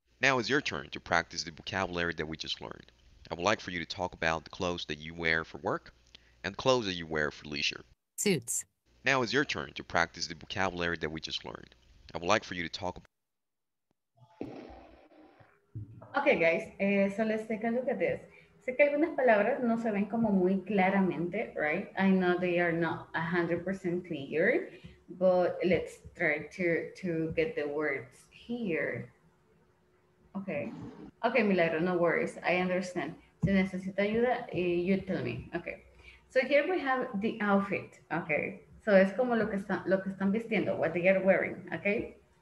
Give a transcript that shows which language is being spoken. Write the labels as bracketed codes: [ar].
[en] Now it's your turn to practice the vocabulary that we just learned. I would like for you to talk about the clothes that you wear for work and clothes that you wear for leisure. Suits. Now it's your turn to practice the vocabulary that we just learned. I would like for you to talk about. Okay, guys. So let's take a look at this. [es] Sé que algunas palabras no se ven como muy claramente, right? [en] I know they are not 100% clear, but let's try to get the words here. Okay. Okay, Milagro, no worries. I understand. [es] Si necesita ayuda, [en] you tell me. Okay. So here we have the outfit. Okay. So [es] es como lo que están vistiendo, [en] what they are wearing. Okay.